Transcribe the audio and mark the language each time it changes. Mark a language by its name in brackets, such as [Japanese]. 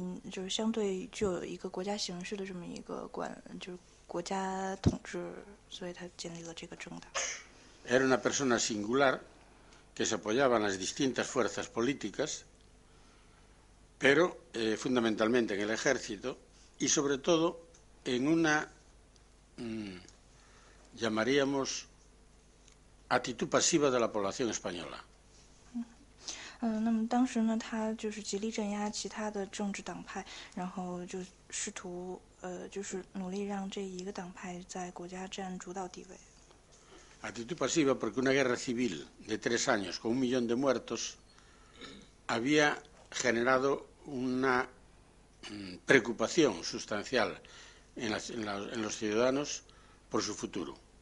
[Chinese] 就是相对具有一个国家形式的这么一个就是国家统治，所以他建立了这个政党。 [Spanish] Era una persona singular que se apoyaba en las distintas fuerzas políticas, pero fundamentalmente en el ejército y sobre todo en una, llamaríamos, actitud pasiva de la población española. [Chinese] 那么当时呢，他就是极力镇压其他的政治党派，然后就试图就是努力让这一个党派在国家占主导地位。 [Spanish] Actitud pasiva porque una guerra civil de 3 años con 1 millón de muertos había generado una preocupación sustancial en los ciudadanos por su futuro.